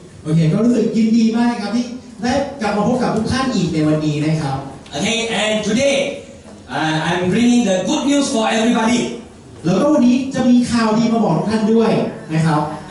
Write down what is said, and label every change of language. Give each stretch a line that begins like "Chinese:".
Thai: okay ก็รู้สึกยินดีมากครับที่ได้กลับมาพบกับทุกท่านอีกในวันนี้นะครับ
English: okay and todayI'm bringing the good news for everybody.
Thai: แล้วก็วันนี้จะมีข่าวดีมาบอกทุกท่านด้วยนะครับ